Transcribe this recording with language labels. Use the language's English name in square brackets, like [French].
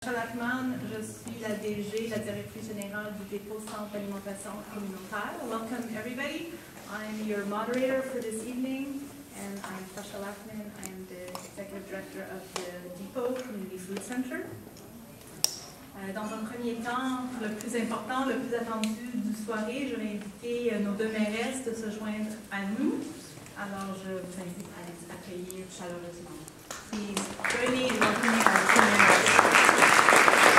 [French] Lachman, je suis la DG, la directrice générale du dépôt centre d'alimentation communautaire. [English] Welcome everybody. I'm your moderator for this evening, and I'm Tasha Lachman. I'm the executive director of the Depot Community Food Center. [French] Dans un premier temps, le plus important, le plus attendu du soirée, je vais inviter nos deux mairesses de se joindre à nous. Alors, je vous invite à les accueillir chaleureusement. [English] Please, join me in welcoming our two mairesses.